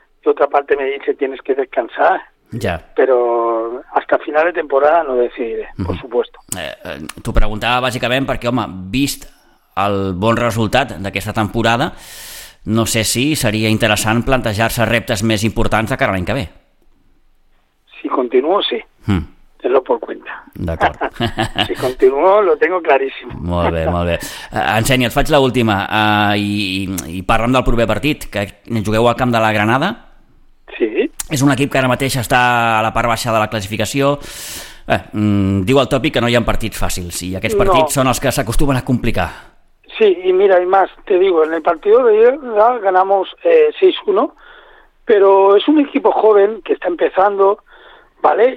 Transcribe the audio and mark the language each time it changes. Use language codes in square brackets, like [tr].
[es] Y otra parte me dice, tienes que descansar. Ya. Pero hasta final de temporada no decidiré, uh-huh. por supuesto. [ca] T'ho preguntava bàsicament perquè, home, vist el bon resultat d'aquesta temporada, no sé si seria interessant plantejar-se reptes més importants de cara a l'any que ve. [es] Si continuo, sí. Uh-huh. Tenlo por cuenta. [ca] D'acord. [es] Si continuo, lo tengo clarísimo. [ca] Molt bé, molt bé. Ensenya, et faig l'última. I parlem del proper partit, que jugueu al camp de la Granada. Sí. És un equip que ara mateix està a la part baixa de la classificació. Diu el tòpic que no hi ha partits fàcils i aquests partits no. són els que s'acostumen a complicar. [es] Sí, i mira, i más, te digo, en el partido de ayer ganamos 6-1, pero es un equipo joven que está empezando, ¿vale?